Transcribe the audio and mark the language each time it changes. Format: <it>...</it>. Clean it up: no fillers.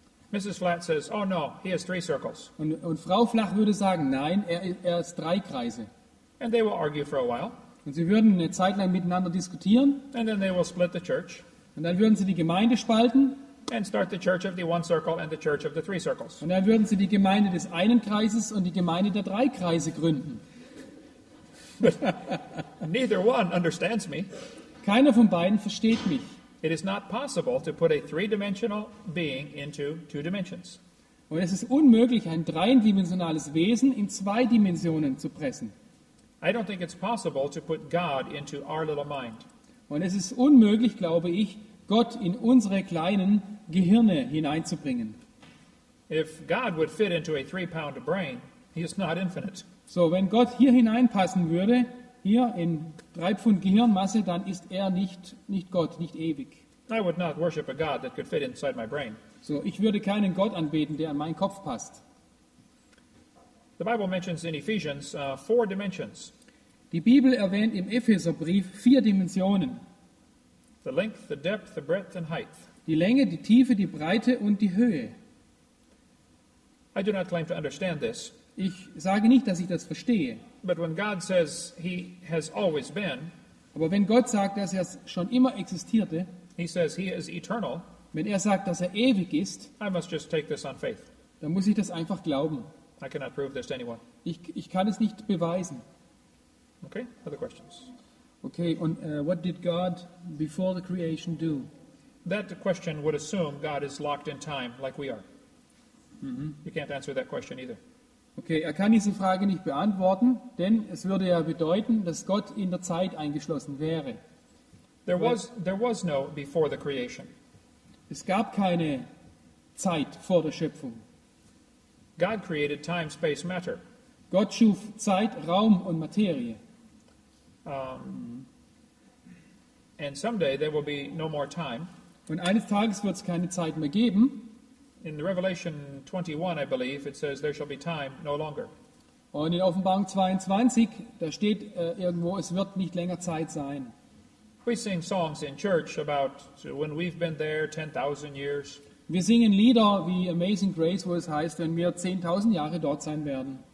<en>Mrs. Flat says, oh no, he has three circles.</en> <de>Und Frau Flach würde sagen, nein, er ist drei Kreise.</de> <en>And they will argue for a while.</en> <de>Und sie würden eine Zeit lang miteinander diskutieren.</de> <en>And then they will split the church.</en> <de>Und dann würden sie die Gemeinde spalten.</de> <en>And start the church of the one circle and the church of the three circles.</en> <de>Und dann würden sie die Gemeinde des einen Kreises und die Gemeinde der drei Kreise gründen.</de> <en>But neither one understands me.</en> <de>Keiner von beiden versteht mich.</de> <en>It is not possible to put a three-dimensional being into two dimensions.</en> <de>Und es ist unmöglich, ein dreidimensionales Wesen in zwei Dimensionen zu pressen.</de> <en>I don't think it's possible to put God into our little mind.</en> <de>Und es ist unmöglich, glaube ich, Gott in unsere kleinen Gehirne hineinzubringen.</de> <en>If God would fit into a 3-pound brain, he is not infinite.</en> <de>So, wenn Gott hier hineinpassen würde, hier in 3 Pfund Gehirnmasse, dann ist er nicht Gott, nicht ewig.</de> <en>I would not worship a God that could fit inside my brain.</en> <de>So, ich würde keinen Gott anbeten, der an meinen Kopf passt.</de> <en>The Bible mentions in Ephesians 4 dimensions.</en> <de>Die Bibel erwähnt im Epheserbrief 4 Dimensionen.</de> <en>The length, the depth, the breadth and height.</en> <de>Die Länge, die Tiefe, die Breite und die Höhe.</de> <en>I do not claim to understand this.</en> <de>Ich sage nicht, dass ich das verstehe.</de> <en>But when God says he has always been,</en> <de>aber wenn Gott sagt, dass er schon immer existierte,</de> <en>he says he is eternal,</en> <de>wenn er sagt, dass er ewig ist,</de> <en>I must just take this on faith.</en> <de>Dann muss ich das einfach glauben.</de> <en>I cannot prove this to anyone.</en> <de>Ich kann es nicht beweisen.</de> <en>Okay, other questions. Okay, and what did God before the creation do? That question would assume God is locked in time like we are. Mm-hmm. You can't answer that question either.</en> <de>Okay, er kann diese Frage nicht beantworten, denn es würde ja bedeuten, dass Gott in der Zeit eingeschlossen wäre.</de> <en>There was no before the creation.</en> <de>Es gab keine Zeit vor der Schöpfung.</de> <en>God created time, space, matter.</en> <de>Gott schuf Zeit, Raum und Materie.</de> <en>And someday there will be no more time.</en> <de>Und eines Tages wird es keine Zeit mehr geben.</de> <en>In Revelation 21, I believe, it says there shall be time no longer.</en> <de>Und in Offenbarung 22, da steht irgendwo, es wird nicht länger Zeit sein.</de> <en>We sing songs in church about when we've been there 10,000 years.</en> <de>Wir singen Lieder wie Amazing Grace, wo es heißt, wenn wir 10.000 Jahre dort sein werden.</de>